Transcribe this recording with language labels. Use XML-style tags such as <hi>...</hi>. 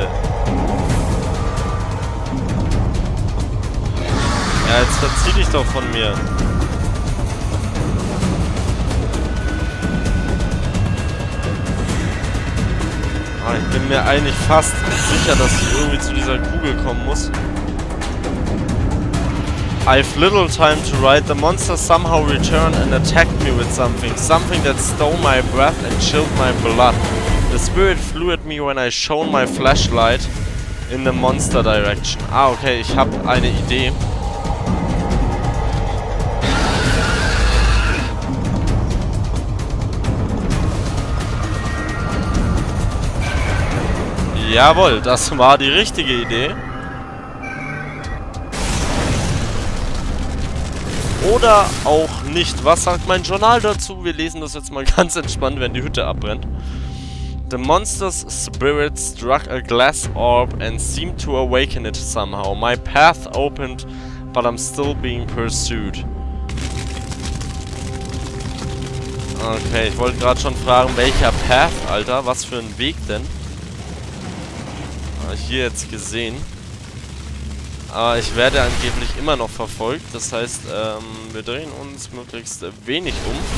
<de>Ja, jetzt verzieh dich doch von mir. Ich bin mir eigentlich fast sicher, dass ich irgendwie zu dieser Kugel kommen muss.</de> <en>I've little time to ride. The monster somehow returned and attacked me with something. Something that stole my breath and chilled my blood. The spirit flew at me when I shone my flashlight in the monster direction.</en> <de>Ah, okay, ich habe eine Idee. Jawohl, das war die richtige Idee. Oder auch nicht. Was sagt mein Journal dazu? Wir lesen das jetzt mal ganz entspannt, wenn die Hütte abbrennt.</de> <en>The monster's spirit struck a glass orb and seemed to awaken it somehow. My path opened, but I'm still being pursued.</en> <de>Okay, ich wollte gerade schon fragen, welcher Path, Alter? Was für ein Weg denn? Hier jetzt gesehen. Aber ich werde angeblich immer noch verfolgt. Das heißt, wir drehen uns möglichst wenig um.</de>